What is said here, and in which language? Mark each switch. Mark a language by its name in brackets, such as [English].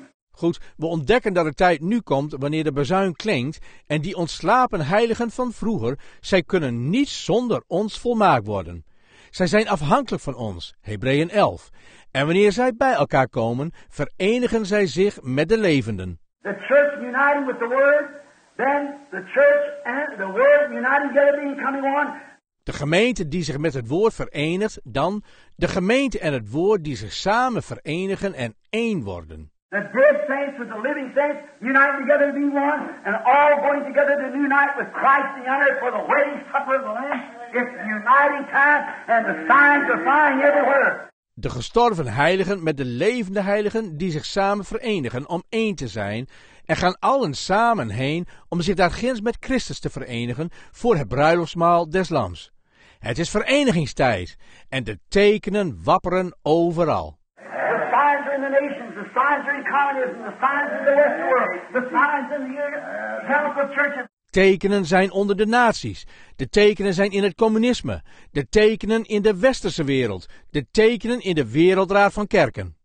[Dutch] Goed, we ontdekken dat de tijd nu komt wanneer de bezuin klinkt en die ontslapen heiligen van vroeger, zij kunnen niet zonder ons volmaakt worden. Zij zijn afhankelijk van ons, Hebreeën 11. En wanneer zij bij elkaar komen, verenigen zij zich met de levenden. [English] The church uniting with the word, then the church and the word uniting together becoming one. [Dutch] De gemeente die zich met het woord verenigt, dan de gemeente en het woord die zich samen verenigen en één worden. [English] The dead saints with the living saints unite together to be one, and all going together to unite with Christ the honor for the wedding supper of the Lamb. It's the uniting time, and the signs are flying everywhere. [Dutch] De gestorven heiligen met de levende heiligen die zich samen verenigen om één te zijn en gaan allen samen heen om zich daar ginds met Christus te verenigen voor het bruiloftsmaal des Lams. Het is verenigingstijd en de tekenen wapperen overal. [English] The signs are in the nations, the signs are in communism, the signs in the rest of the world, the signs in the evangelical churches. [Dutch] Tekenen zijn onder de naties. De tekenen zijn in het communisme. De tekenen in de westerse wereld. De tekenen in de Wereldraad van Kerken.